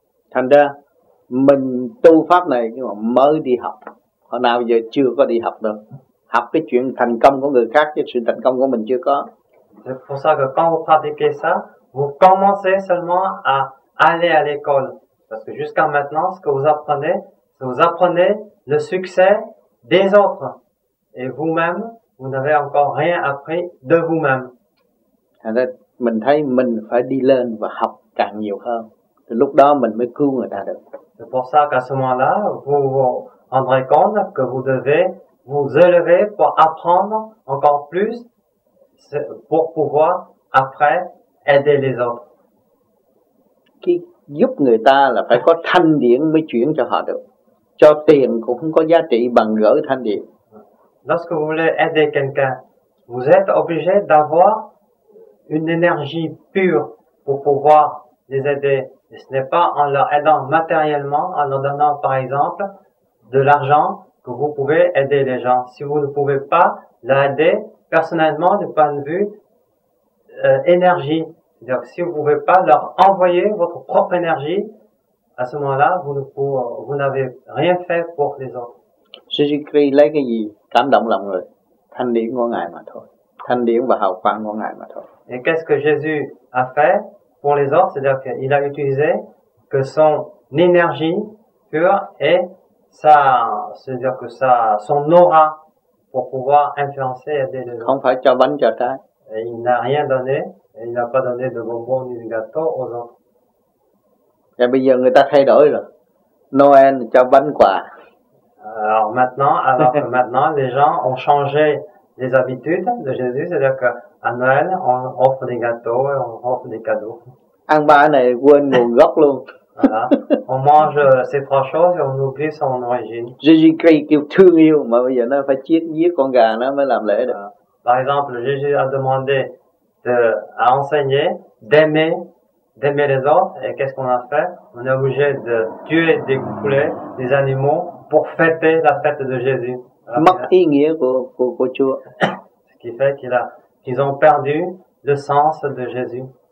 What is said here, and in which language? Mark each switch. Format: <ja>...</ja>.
<vi>Thành ra, mình tu pháp này nhưng mà mới đi học. Hồi nào giờ chưa có đi học đâu. Học cái chuyện thành công của người khác, chứ sự thành công của mình chưa có.</vi> <fr>C'est pour ça que quand vous pratiquez ça, vous commencez seulement à aller à l'école. Parce que jusqu'à maintenant, ce que vous apprenez, vous apprenez le succès des autres. Et vous-même, vous n'avez encore rien appris de vous-même.</fr> <vi>Alors, mình thấy mình phải đi lên và học càng nhiều hơn. Thì lúc đó mình mới cứu người ta được.</vi> <fr>C'est pour ça qu'à ce moment-là, vous vous rendrez compte que vous devez vous élever pour apprendre encore plus pour pouvoir après aider les autres.</fr> <vi>Qui giúp người ta là phải có thanh điển mới chuyển cho họ được. Cho tiền cũng không có giá trị bằng gỡ thanh điển.</vi> <fr>Lorsque vous voulez aider quelqu'un, vous êtes obligé d'avoir une énergie pure pour pouvoir les aider. Et ce n'est pas en leur aidant matériellement, en leur donnant par exemple de l'argent, que vous pouvez aider les gens. Si vous ne pouvez pas l'aider personnellement du point de vue énergie, c'est-à-dire si vous ne pouvez pas leur envoyer votre propre énergie, à ce moment-là, vous n'avez rien fait pour les autres.</fr> <vi>Jésus-Christ lấy cái gì cảm động lòng người? Thanh điển của Ngài mà thôi. Thanh điển và hào quang của Ngài mà thôi.</vi> <fr>Et qu'est-ce que Jésus a fait pour les autres? C'est-à-dire qu'il a utilisé que son énergie pure et sa, c'est-à-dire que sa, son aura pour pouvoir influencer et aider les autres.</fr> <vi>Không phải cho bánh cho trái.</vi> <fr>Et il n'a rien donné, et il n'a pas donné de bonbons ni de gâteaux aux autres.</fr> <vi>Et bây giờ người ta thay đổi rồi. Noël cho bánh quà.</vi> <fr>Alors maintenant, les gens ont changé les habitudes de Jésus, c'est-à-dire qu'à Noël, on offre des gâteaux et on offre des cadeaux.</fr> <vi>Ăn ba này quên nguồn gốc luôn.</vi> <fr>Voilà. On mange ces trois choses et on oublie son origine.</fr> <vi>Jésus-Christ kêu thương yêu, mà bây giờ nó phải chết giết con gà nó mới làm lễ được.</vi> <fr>Par exemple, Jésus a demandé à enseigner d'aimer les autres, et qu'est-ce qu'on a fait? On est obligé de tuer des poulets, des animaux, pour fêter la fête de Jésus. Ce qui fait qu'ils ont perdu le sens de Jésus.</fr>